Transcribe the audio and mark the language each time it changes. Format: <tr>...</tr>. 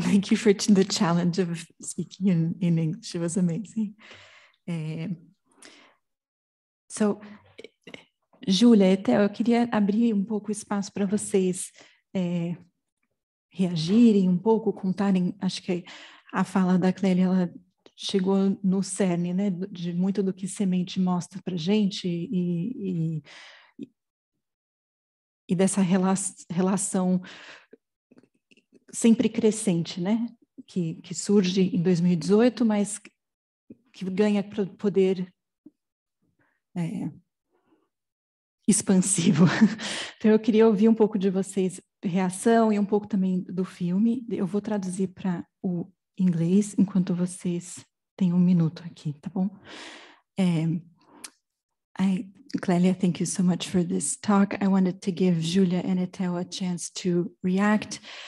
<en>Thank you for the challenge of speaking in English. It was amazing.</en> <pt>So, Júlia, Éthel, eu queria abrir um pouco espaço para vocês reagirem um pouco, contarem. Acho que a fala da Clélia, ela chegou no cerne, né, de muito do que Semente mostra para gente e dessa relação sempre crescente, né? Que surge em 2018, mas que ganha poder expansivo. Então, eu queria ouvir um pouco de vocês, reação e um pouco também do filme. Eu vou traduzir para o inglês enquanto vocês têm um minuto aqui, tá bom?</pt> <en>Clélia, thank you so much for this talk. I wanted to give Julia and Éthel a chance to react.</en>